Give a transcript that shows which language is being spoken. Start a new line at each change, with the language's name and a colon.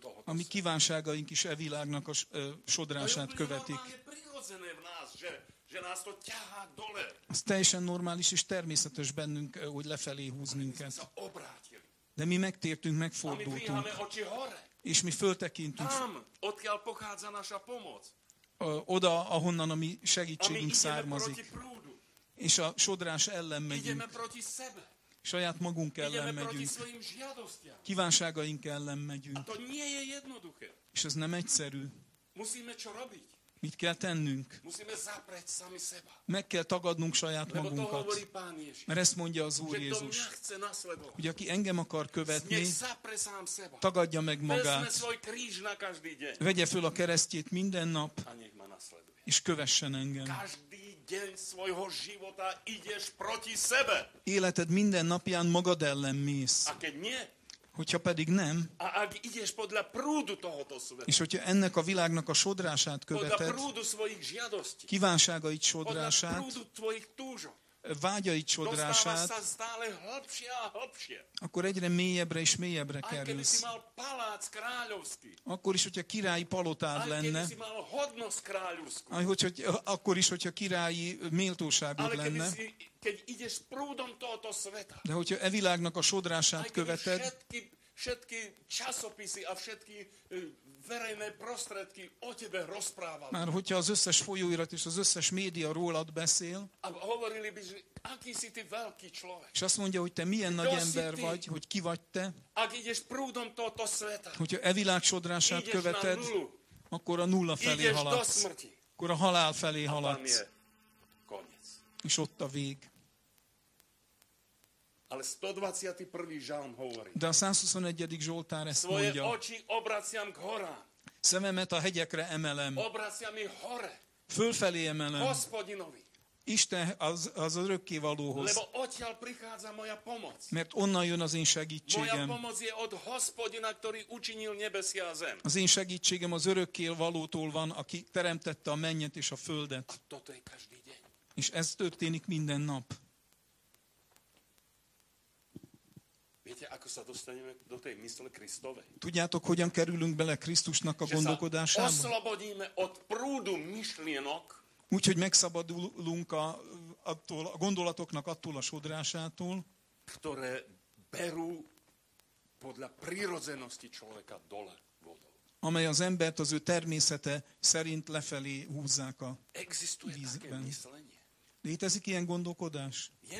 Hungarian: A mi kívánságaink is e világnak a sodrását követik.
Slovak: To je prírodzené v nás, že nás to ťahá dole.
Hungarian: Ez teljesen normális és természetes bennünk, hogy lefelé húz minket. De mi megtértünk, megfordultunk. És mi föltekintünk.
Slovak: Tam, odkiaľ pochádza naša pomoc.
Hungarian: Oda, ahonnan a mi segítségünk származik.
Slovak: Prúdu.
Hungarian: És a sodrás ellen megyünk.
Slovak: Ideme proti sebe.
Hungarian: Saját magunk ellen megyünk. Kívánságaink ellen megyünk.
Slovak: A to nie je jednoduché.
Hungarian: És ez nem egyszerű.
Slovak: Musíme čo robiť.
Hungarian: Mit kell tennünk?
Slovak: Musíme zapreť sami seba.
Hungarian: Meg kell tagadnunk saját
Slovak: Lebo
Hungarian: magunkat.
Slovak: To hovorí Pán Ježiš.
Hungarian: Mert ezt mondja az Úr Jézus. Hogy aki engem akar követni, tagadja meg magát.
Slovak: Vezme svoj kríž na každý deň.
Hungarian: Vegye föl a keresztjét minden nap.
Slovak: A nech ma nasleduje.
Hungarian: És kövessen engem.
Slovak: Každý deň svojho života ideš proti sebe.
Hungarian: Életed minden napján magad ellen mész.
Slovak: A keď nie,
Hungarian: hogyha pedig nem,
Slovak: a ak ideš podľa prúdu tohoto sveta,
Hungarian: és hogyha ennek a világnak a sodrását követed,
Slovak: podľa prúdu svojich žiadostí,
Hungarian: kívánságait sodrását,
Slovak: podľa prúdu tvojich túžok,
Hungarian: vágyait sodrását,
Slovak: dostávaš sa stále hlbšie a hlbšie,
Hungarian: akkor egyre mélyebbre és mélyebbre kerülsz.
Slovak: Aj keby si mal palác kráľovský,
Hungarian: akkor is, hogyha királyi palotád lenne,
Slovak: aj keby si mal hodnosť kráľovskú,
Hungarian: akkor is, hogyha királyi méltóságod lenne,
Slovak: keď ideš prúdom tohoto sveta.
Hungarian: De hogyha e világnak a sodrását követed,
Slovak: všetky časopisy a všetky verejné prostredky o tebe rozprávali.
Hungarian: Már hogyha az összes folyóirat és az összes média rólad beszél,
Slovak: a hovorili by, že aký si ty veľký človek.
Hungarian: És azt mondja, hogy te milyen nagy ember vagy, hogy ki vagy te.
Slovak: Ak ideš prúdom tohoto sveta.
Hungarian: Hogyha e világ sodrását követed, akkor a nulla felé haladsz.
Slovak: Ideš do smrti.
Hungarian: Akkor a halál felé haladsz. És ott a vég.
Slovak: Ale 121. žalm hovorí.
Hungarian: De a 121. Zsoltár ezt
Slovak: svoje
Hungarian: mondja.
Slovak: Svoje oči obraciam k horám.
Hungarian: Szememet a hegyekre emelem.
Slovak: Obraciam i hore.
Hungarian: Fölfelé emelem.
Slovak: Hospodinovi.
Hungarian: Isten az örökkévalóhoz.
Slovak: Lebo odtiaľ prichádza moja pomoc.
Hungarian: Mert onnan jön az én segítségem.
Slovak: Moja pomoc je od Hospodina, ktorý učinil nebesia a zem.
Hungarian: Az én segítségem az örökkévalótól van, aki teremtette a mennyet és a földet.
Slovak: A toto je každý deň.
Hungarian: És ez történik minden nap.
Slovak: Viete, ako sa dostaneme do tej mysle Kristovej?
Hungarian: Tudjátok, hogyan kerülünk bele Krisztusnak a gondolkodásába?
Slovak: Že sa oslobodíme od prúdu myšlienok.
Hungarian: Úgyhogy megszabadulunk a gondolatoknak attól a sodrásától.
Slovak: Ktoré berú podľa prírodzenosti človeka dole vodou.
Hungarian: amely az embert az ő természete szerint lefelé húzzák a vízben. Létezik ilyen gondolkodás?